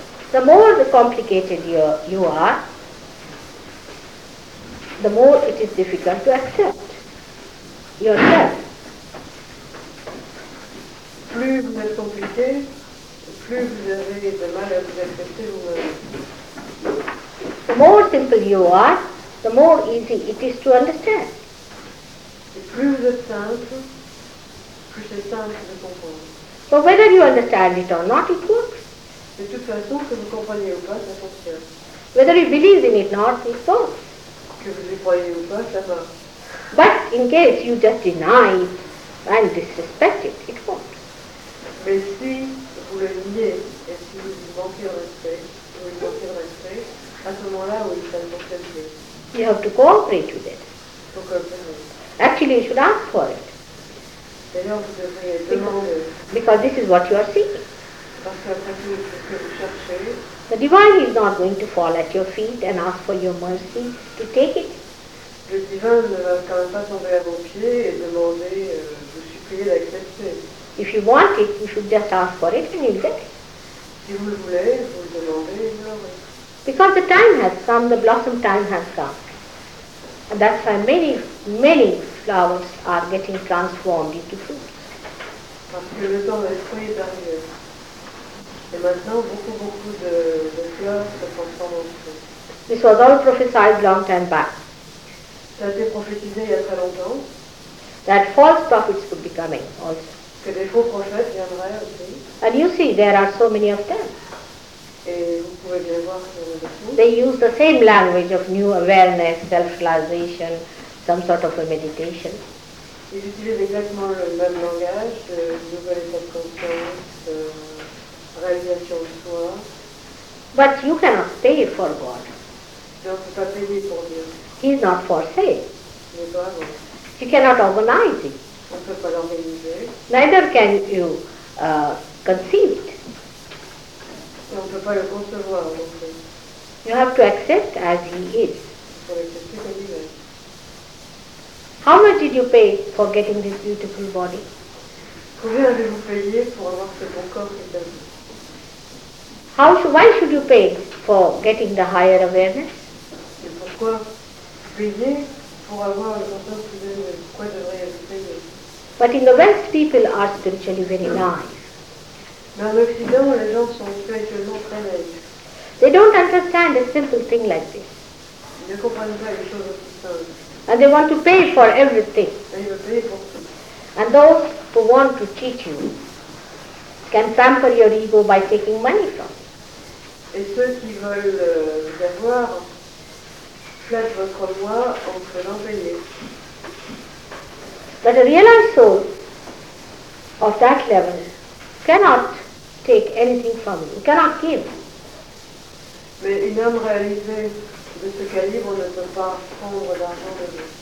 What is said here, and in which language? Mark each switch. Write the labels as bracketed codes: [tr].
[en] The more the complicated you are, the more it is difficult to accept yourself. [fr] Plus vous êtes compliqué, plus vous avez de mal à vous accepter vous-même. [en] The more simple you are, the more easy it is to understand. [fr] Et plus vous êtes simple, plus c'est simple de comprendre. [en] So whether you understand it or not, it works. [fr] De toute façon, que vous compreniez ou pas, ça fonctionne. [en] Whether you believe in it or not, it works. [fr] Que vous y croyez ou pas, ça va. [en] But in case you just deny it and disrespect it, it won't. [fr] Mais si vous le niez et si vous manquez de respect, vous manquez de respect, à ce moment-là, oui, ça ne fonctionne plus. [en] You have to cooperate with it. [fr] Faut coopérer. [en] Actually, you should ask for it. [fr] D'ailleurs, vous devriez demander. [en] Because this is what you are seeking. [fr] Parce que c'est ce que vous cherchez. [en] The divine is not going to fall at your feet and ask for your mercy to take it. [fr] Le divin ne va quand même pas tomber à vos pieds et demander, vous supplier d'accepter. [en] If you want it, you should just ask for it and you'll get it. [fr] Si vous le voulez, vous le demandez, vous l'aurez. [en] Because the time has come, the blossom time has come. And that's why many, many flowers are getting transformed into fruits. [fr] Parce que le temps des fruits est arrivé. Et maintenant, beaucoup, beaucoup de fleurs se transforment en fruits. [en] This was all prophesied long time back. [fr] Ça a été prophétisé il y a très longtemps. [en] That false prophets would be coming also. [fr] Que des faux prophètes viendraient aussi. [en] And you see, there are so many of them. [fr] Et vous pouvez [en] They use the same language of new awareness, self-realization, some sort of a meditation. [fr] Ils utilisent exactement le même langage, de nouvel état de conscience, réalisation de soi. [en] But you cannot stay for God. [fr] Donc, vous pouvez pas payer pour Dieu. [en] He is not for sale. [fr] Il n'est pas avant. [en] You cannot organize it. [fr] On ne peut pas l'organiser. [en] Neither can you conceive it. [fr] Et on ne peut pas le concevoir non plus. [en] You have to accept as he is. [fr] Il faut l'accepter comme il est. [en] How much did you pay for getting this beautiful body? [fr] Combien avez-vous payé pour avoir ce bon corps et cette vie? [en] Why should you pay for getting the higher awareness? [fr] Et pourquoi payer pour avoir une conscience plus élevée? Pourquoi devriez-vous payer? [en] But in the West, people are spiritually very nice. [fr] Mais en Occident, les gens sont spirituellement très naïfs. [en] They don't understand a simple thing like this. [fr] Ils ne comprennent pas les choses aussi simples. [en] And they want to pay for everything. Pay for and those who want to teach you can pamper your ego by taking money from you. [fr] Et ceux qui veulent avoir flatte votre moi en faisant payer. [en] But a realized soul of that level cannot take anything from you, cannot give. [fr] Mais une âme réalisée de ce calibre ne peut pas prendre l'argent de vous.